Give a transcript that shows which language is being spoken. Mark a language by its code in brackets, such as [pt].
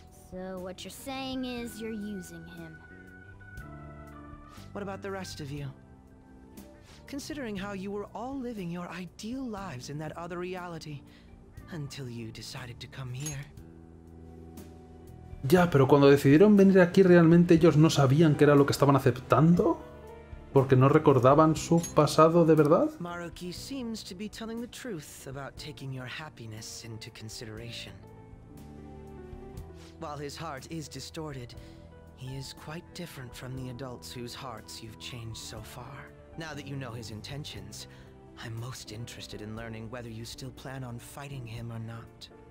[en] So what you're saying is you're using him. What about the rest of you? Considering how you were all living your ideal lives in that other reality, until you decided to come here. [es] Ya, pero cuando decidieron venir aquí realmente ellos no sabían qué era lo que estaban aceptando, porque no recordaban su pasado de verdad. [en] Maruki seems to be telling the truth about taking your happiness into consideration. While his heart is distorted, he is quite different from the adults whose hearts you've changed so far. Now that you know his intentions, I'm most interested in learning whether you still plan on fighting him or not.